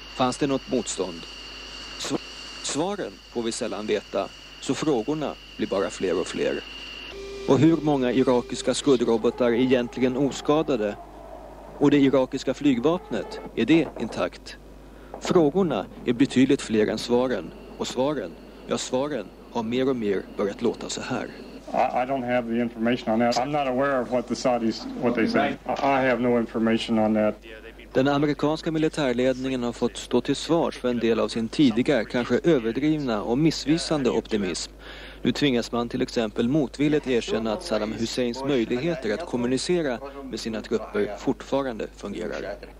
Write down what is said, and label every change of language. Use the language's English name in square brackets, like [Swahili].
[Swedish] Fanns det något motstånd? Svaren får vi sällan veta, så frågorna blir bara fler och fler. Och hur många irakiska skuddrobotar är egentligen oskadade? Och det irakiska flygvapnet, är det intakt? Frågorna är betydligt fler än svaren. Och svaren, ja svaren, har mer och mer börjat låta så här. [English] I don't have the information on that. I'm not aware of what the Saudis, what they say. I have no information on that. [Swedish] Den amerikanska militärledningen har fått stå till svars för en del av sin tidigare, kanske överdrivna och missvisande optimism. Nu tvingas man till exempel motvilligt erkänna att Saddam Husseins möjligheter att kommunicera med sina trupper fortfarande fungerar.